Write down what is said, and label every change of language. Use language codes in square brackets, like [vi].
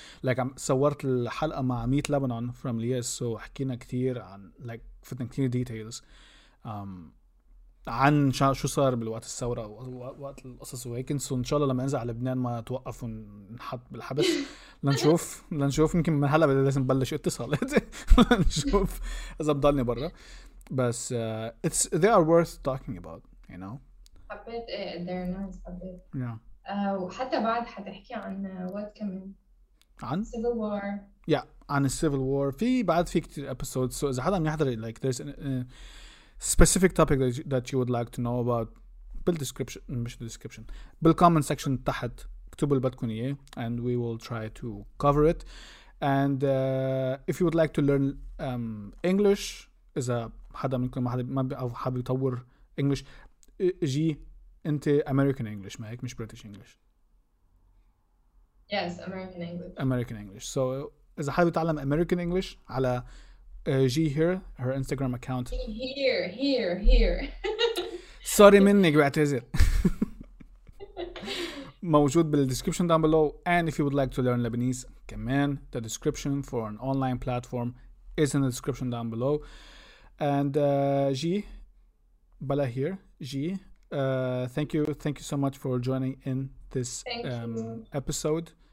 [ar] Like صورت الحلقة مع [en] Meet Lebanon from Lia, so [ar] حكينا كتير عن like فتنا كتير details عن شو صار بالوقت الثورة ووقت القصص وهيك. سو إن شاء الله لما أنزل على لبنان ما توقف ونحط بالحبس. لنشوف يمكن من هلا بدي لازم بلش اتصالات لنشوف إذا بضلني برا. بس [en] it's they are worth talking about you know. حبيت they're nice. حبيت yeah. [ar] وحتى بعد حتحكي عن what كمان [en] عن civil war. Yeah عن civil war في بعد في كتير episodes. So [ar] إذا حدا عم يحضر [en] like there's specific topic that you would like to know about [ar] بالدسكريبشن بالكومنت سكشن تحت اكتبوا اللي بدكم اياه [en] and we will try to cover it. And if you would like to learn English [ar] اذا حدا منكم ما حابب يطور [en] English [ar] جي انت [en] American English [ar] ما هيك مش [en] British English. Yes American English. American English. So [ar] اذا حابب يتعلم [en] American English على G here, her Instagram account. Here. Sorry, [ar] منك بعتذر. موجود بالدسكريبشن [en] down below. And if you would like to learn Lebanese, كمان the description for an online platform is in the description down below. And G, بلا here. G, thank you so much for joining in this episode.